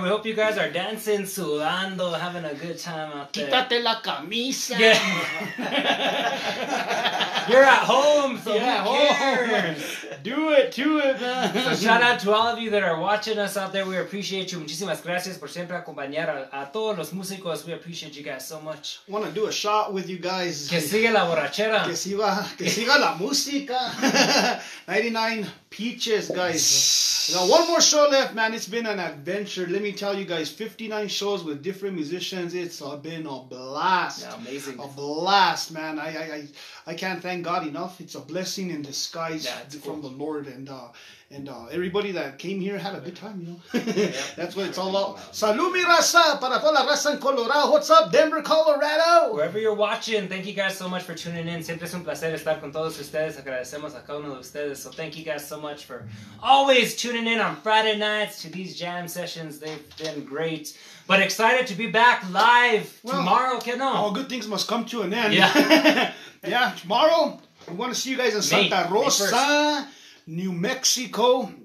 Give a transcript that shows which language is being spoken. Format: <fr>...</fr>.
<en>We hope you guys are dancing,</en> <es>sudando,</es> <en>having a good time out there.</en> <es>Quítate la camisa.</es> <en>Yeah. You're at home, so yeah, who cares? Do it, to it, man. So shout out to all of you that are watching us out there. We appreciate you.</en> <es>Muchísimas gracias por siempre acompañar a todos los músicos.</es> <en>We appreciate you guys so much. I want to do a shot with you guys.</en> <es>Que sigue la borrachera. Que siga la música. 99 Peaches, guys.</es> <en>Now, one more show left, man. It's been an adventure. Let me tell you guys, 59 shows with different musicians. It's been a blast. Yeah, amazing. A blast, man. I can't thank God enough. It's a blessing in disguise from the Lord. And everybody that came here had a good time, you know. That's what it's all about.</en> <es>Salud, mi raza, para toda la raza en Colorado.</es> <en>What's up, Denver, Colorado? Wherever you're watching, thank you guys so much for tuning in.</en> <es>Siempre es un placer estar con todos ustedes. Agradecemos a cada uno de ustedes.</es> <en>So thank you guys so much for always tuning in on Friday nights to these jam sessions. They've been great. But excited to be back live tomorrow, Kenno. All good things must come to an end. Yeah. Yeah, tomorrow we want to see you guys in Santa Rosa, New Mexico.</en>